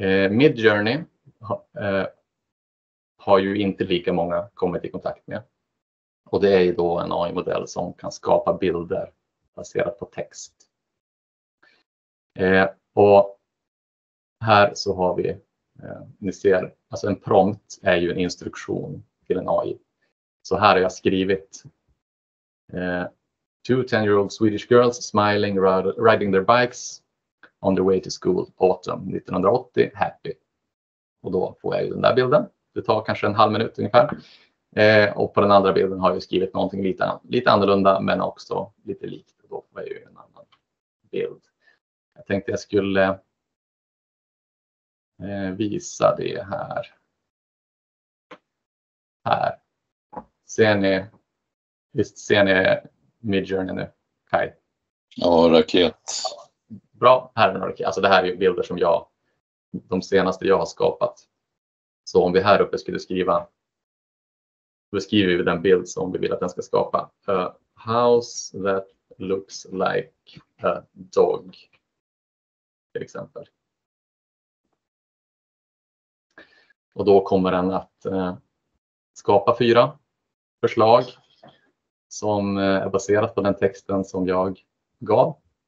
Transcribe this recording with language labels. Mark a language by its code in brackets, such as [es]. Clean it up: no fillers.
[sv] Midjourney har ju inte lika många kommit i kontakt med. Och det är ju då en AI-modell som kan skapa bilder baserat på text. Och här så har vi, ni ser, alltså en prompt är ju en instruktion till en AI. Så här har jag skrivit [en] 2 10-year-old Swedish girls smiling, riding their bikes on the way to school autumn 1980, happy. [sv] Och då får jag ju den där bilden. Det tar kanske en halv minut ungefär. Och på den andra bilden har jag skrivit någonting lite annorlunda, men också lite likt. Då får jag ju en annan bild. Jag tänkte jag skulle visa det här. Här. Ser ni Midjourney nu? Kai? Ja, raket. Bra, här är raket. Alltså det här är ju bilder som jag, de senaste jag har skapat. Så om vi här uppe skulle skriva, då skriver vi den bild som vi vill att den ska skapa. [en] A house that looks like a dog. [sv] Till exempel. Och då kommer den att skapa 4 förslag som är baserat på den texten som jag gav.